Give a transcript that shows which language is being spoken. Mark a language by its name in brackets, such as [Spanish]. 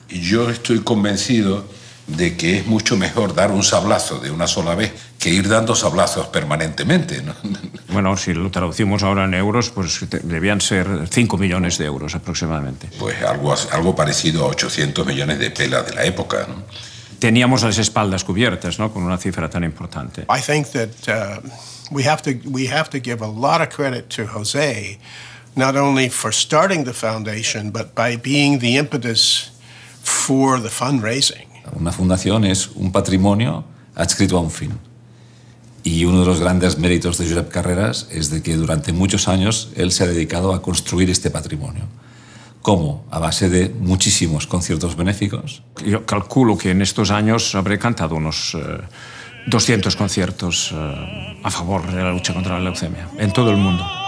[Spanish] Yo estoy convencido de que es mucho mejor dar un sablazo de una sola vez que ir dando sablazos permanentemente, ¿no? Bueno, si lo traducimos ahora en euros, pues debían ser 5 millones de euros aproximadamente. Pues algo parecido a 800 millones de pelas de la época, ¿no? Teníamos las espaldas cubiertas, ¿no?, con una cifra tan importante. [English] I think that we have to give a lot of credit to José, not only for starting the foundation, but by being the impetus for the fundraising. [Spanish] Una fundación es un patrimonio adscrito a un fin. Y uno de los grandes méritos de Josep Carreras es de que durante muchos años él se ha dedicado a construir este patrimonio. ¿Cómo? A base de muchísimos conciertos benéficos. Yo calculo que en estos años habré cantado unos 200 conciertos a favor de la lucha contra la leucemia en todo el mundo.